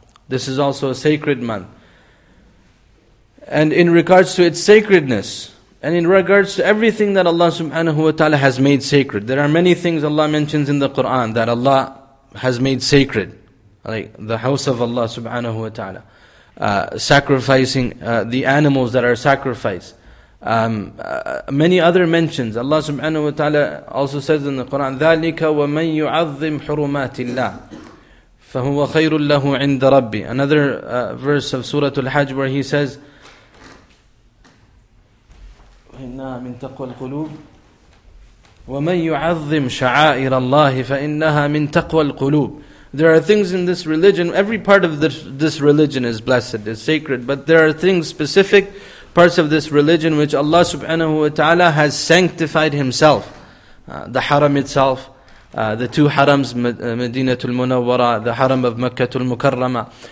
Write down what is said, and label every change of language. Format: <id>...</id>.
<en>This is also a sacred month. And in regards to its sacredness, and in regards to everything that Allah subhanahu wa ta'ala has made sacred, there are many things Allah mentions in the Qur'an that Allah has made sacred, like the house of Allah subhanahu wa ta'ala, sacrificing the animals that are sacrificed. Many other mentions. Allah subhanahu wa ta'ala also says in the Quran,</en> <ar>ذَلِكَ وَمَنْ يُعَظِّمْ حُرُمَاتِ اللَّهِ فَهُوَ خَيْرٌ لَّهُ عِنْدَ رَبِّي.</ar> <en>Another verse of Surah Al-Hajj where he says,</en> <ar>إِنَّا مِنْ تَقْوَى الْقُلُوبِ وَمَنْ يُعَظِّمْ شَعَائِرَ اللَّهِ فَإِنَّهَا مِنْ تَقْوَى الْقُلُوبِ.</ar> <en>There are things in this religion, every part of this religion is blessed, is sacred, but there are things specific parts of this religion which Allah subhanahu wa ta'ala has sanctified Himself. The haram itself, the two harams, Madinatul Munawwara, the haram of Makkatul Mukarrama.</en>